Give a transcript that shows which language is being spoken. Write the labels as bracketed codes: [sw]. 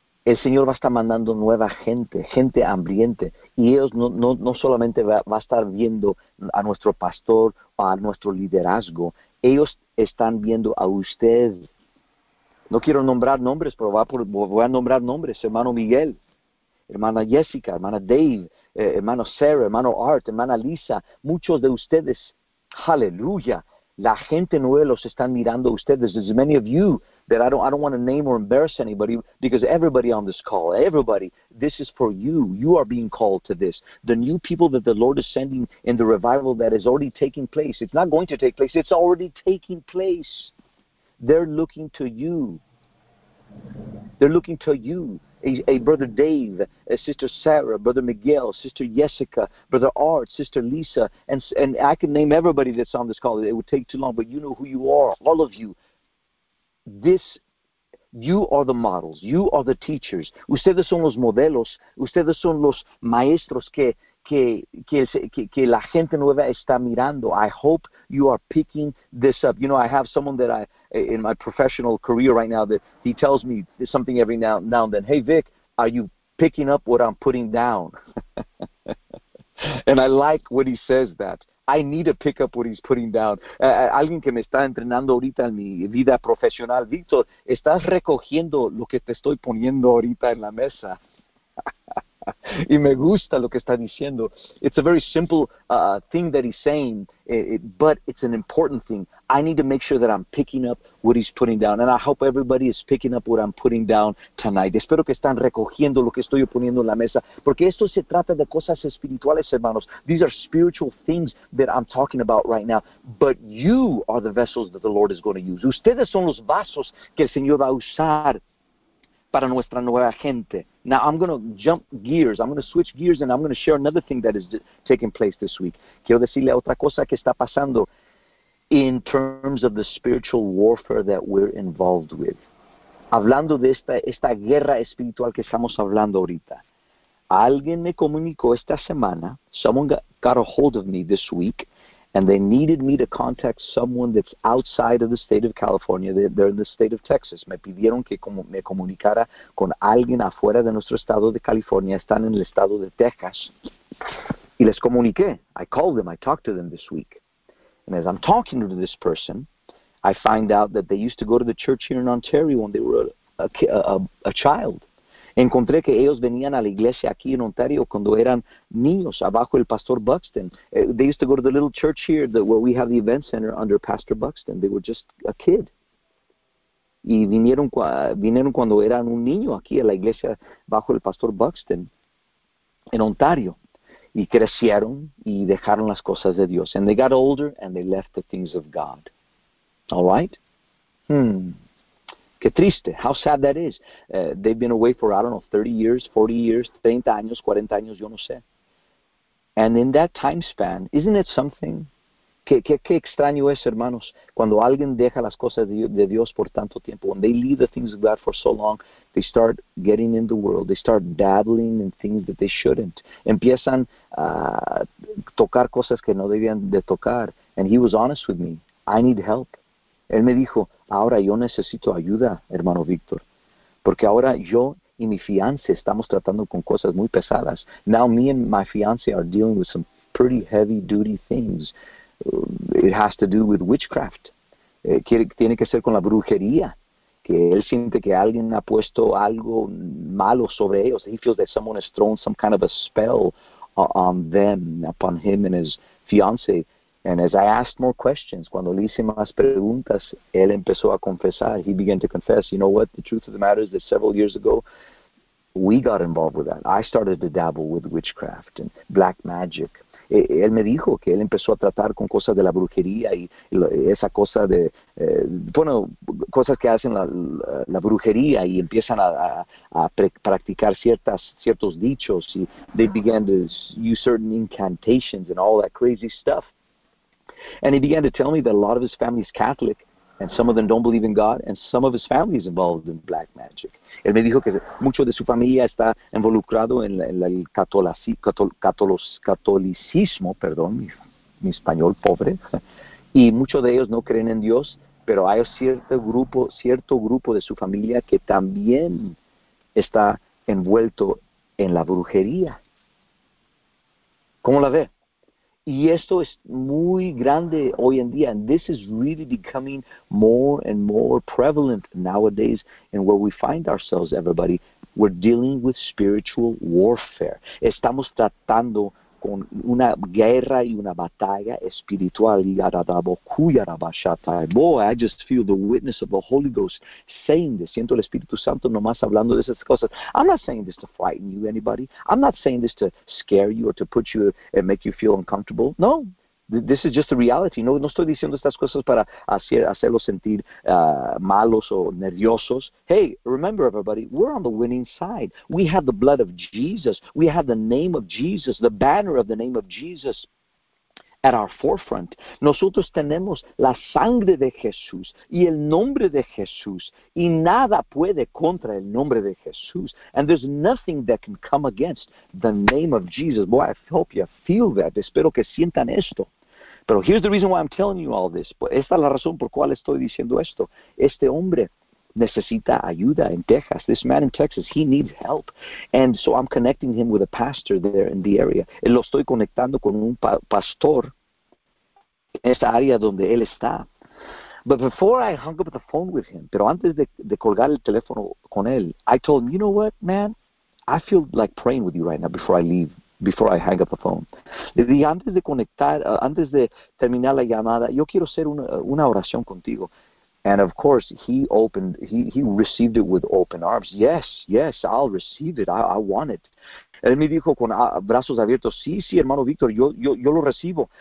[es] el Señor va a estar mandando nueva gente, gente hambriente, y ellos no solamente va a estar viendo a nuestro pastor o a nuestro liderazgo, ellos están viendo a usted. No quiero nombrar nombres, pero voy a nombrar nombres: hermano Miguel, hermana Jessica, hermana Dave, hermano Sarah, hermano Art, hermana Lisa, muchos de ustedes, aleluya, la gente nueva los están mirando a ustedes. [en] There's many of you that I don't want to name or embarrass anybody, because everybody on this call, everybody, this is for you. You are being called to this. The new people that the Lord is sending in the revival that is already taking place, it's not going to take place, it's already taking place. They're looking to you. They're looking to you. A brother Dave, a sister Sarah, brother Miguel, sister Jessica, brother Art, sister Lisa, and I can name everybody that's on this call. It would take too long, but you know who you are, all of you. This, you are the models. You are the teachers. [es] Ustedes son los modelos. Ustedes son los maestros que la gente nueva está mirando. [en] I hope you are picking this up. You know, I have someone that I, in my professional career right now, that he tells me something every now and then. Hey, Vic, are you picking up what I'm putting down? And I like when he says that. I need to pick up what he's putting down. [es] Alguien que me está entrenando ahorita en mi vida profesional. Víctor, ¿estás recogiendo lo que te estoy poniendo ahorita en la mesa? Y me gusta lo que está diciendo. [en] It's a very simple thing that he's saying, but it's an important thing. I need to make sure that I'm picking up what he's putting down. And I hope everybody is picking up what I'm putting down tonight. [es] Espero que están recogiendo lo que estoy poniendo en la mesa. Porque esto se trata de cosas espirituales, hermanos. [en] These are spiritual things that I'm talking about right now. But you are the vessels that the Lord is going to use. [es] Ustedes son los vasos que el Señor va a usar para nuestra nueva gente. [en] Now, I'm going to jump gears. I'm going to switch gears, and I'm going to share another thing that is taking place this week. [es] Quiero decirle otra cosa que está pasando [en] in terms of the spiritual warfare that we're involved with. [es] Hablando de esta guerra espiritual que estamos hablando ahorita. Alguien me comunicó esta semana, [en] someone got a hold of me this week, and they needed me to contact someone that's outside of the state of California. They're in the state of Texas. [es] Me pidieron que me comunicara con alguien afuera de nuestro estado de California. Están en el estado de Texas. Y les comuniqué. [en] I called them. I talked to them this week. And as I'm talking to this person, I find out that they used to go to the church here in Ontario when they were a child. [es] Encontré que ellos venían a la iglesia aquí en Ontario cuando eran niños, abajo el Pastor Buxton. [en] They used to go to the little church here where we have the event center under Pastor Buxton. They were just a kid. [es] Y vinieron cuando eran un niño aquí a la iglesia bajo el Pastor Buxton en Ontario. Y crecieron y dejaron las cosas de Dios. [en] And they got older and they left the things of God. All right? [es] Qué triste. [en] How sad that is. They've been away for, I don't know, 30 years, 40 years, [es] 30 años, 40 años, yo no sé. [en] And in that time span, isn't it something? [es] Qué extraño es, hermanos, cuando alguien deja las cosas de Dios por tanto tiempo. [en] When they leave the things of God for so long, they start getting in the world. They start dabbling in things that they shouldn't. [es] Empiezan a tocar cosas que no debían de tocar. [en] And he was honest with me. I need help. [es] Él me dijo, ahora yo necesito ayuda, hermano Víctor, porque ahora yo y mi fiance estamos tratando con cosas muy pesadas. [en] Now me and my fiance are dealing with some pretty heavy-duty things. It has to do with witchcraft. [es] Tiene que ser con la brujería, que él siente que alguien ha puesto algo malo sobre ellos. [en] He feels that someone has thrown some kind of a spell on them, upon him and his fiance. And as I asked more questions, [es] cuando le hice más preguntas, [en] él empezó a confesar. He began to confess. You know what? The truth of the matter is that several years ago, we got involved with that. I started to dabble with witchcraft and black magic. [es] Él me dijo que él empezó a tratar con cosas de la brujería y esa cosa de, bueno, cosas que hacen la brujería y empiezan a practicar ciertos dichos. [en] Y they began to use certain incantations and all that crazy stuff. And he began to tell me that a lot of his family is Catholic, and some of them don't believe in God, and some of his family is involved in black magic. [es] Él me dijo que mucho de su familia está involucrado en el catolicismo, mi español pobre, y muchos de ellos no creen en Dios, pero hay cierto grupo de su familia que también está envuelto en la brujería. ¿Cómo la ve? Y esto es muy grande hoy en día. [en] And this is really becoming more and more prevalent nowadays in where we find ourselves, everybody. We're dealing with spiritual warfare. [es] Estamos tratando con una guerra y una batalla espiritual. [en] Boy, I just feel the witness of the Holy Ghost saying this. [es] Siento el Espíritu Santo nomás hablando de esas cosas. [en] I'm not saying this to frighten you, anybody. I'm not saying this to scare you or to put you and make you feel uncomfortable. No, this is just the reality. [es] No estoy diciendo estas cosas para hacerlos sentir malos o nerviosos. [en] Hey, remember, everybody, we're on the winning side. We have the blood of Jesus. We have the name of Jesus, the banner of the name of Jesus at our forefront. [es] Nosotros tenemos la sangre de Jesús y el nombre de Jesús, y nada puede contra el nombre de Jesús. [en] And there's nothing that can come against the name of Jesus. Boy, I hope you feel that. [es] Espero que sientan esto. Pero [en] here's the reason why I'm telling you all this. [es] Esta es la razón por cual estoy diciendo esto. Este hombre necesita ayuda en Texas. [en] This man in Texas, he needs help. And so I'm connecting him with a pastor there in the area. [es] Lo estoy conectando con un pastor en esta área donde él está. [en] But before I hung up the phone with him, [es] pero antes de colgar el teléfono con él, [en] I told him, you know what, man? I feel like praying with you right now before I leave. Before I hang up the phone. [es] Le dije, antes de conectar, antes de terminar la llamada, yo quiero hacer una oración contigo. [en] And of course, he received it with open arms. Yes, yes, I'll receive it. I want it. [es] Él me dijo con brazos abiertos, sí, sí, hermano Víctor, yo lo recibo.